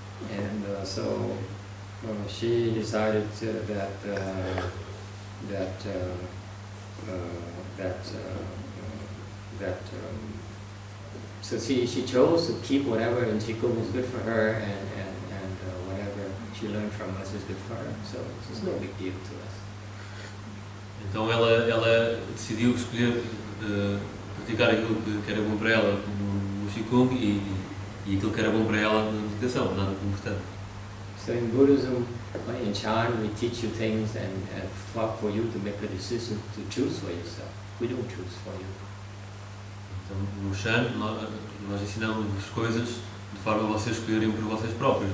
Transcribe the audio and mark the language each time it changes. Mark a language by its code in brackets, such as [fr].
[en] And so, she decided she chose to keep whatever in qigong was good for her, and whatever she learned from us is good for her. So it's no big deal to us. [pt] Então ela decidiu escolher praticar aquilo que era bom para ela no qigong e aquilo que era bom para ela na meditação, nada importante. [en] So in Buddhism, in Chan, we teach you things and talk for you to make a decision to choose for yourself. We don't choose for you. [pt] Então no Chan nós ensinamos as coisas de forma a vocês escolherem por vocês próprios.